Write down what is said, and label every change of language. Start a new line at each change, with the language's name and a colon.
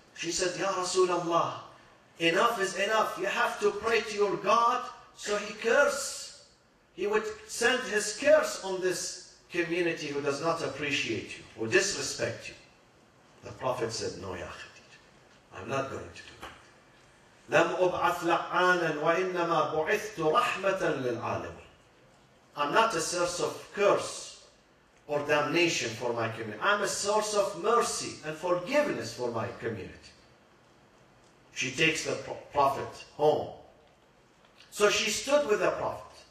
English: She said, Ya Rasulallah, enough is enough. You have to pray to your God so he curses. He would send his curse on this community who does not appreciate you, who disrespect you. The Prophet said, No, Ya Khadija, I'm not going to do it.
Arabic: لم أبعث لعانا وإنما بعثت رحمة للعالمين.
English: I'm not a source of curse or damnation for my community. I'm a source of mercy and forgiveness for my community. She takes the Prophet home. So she stood with the Prophet.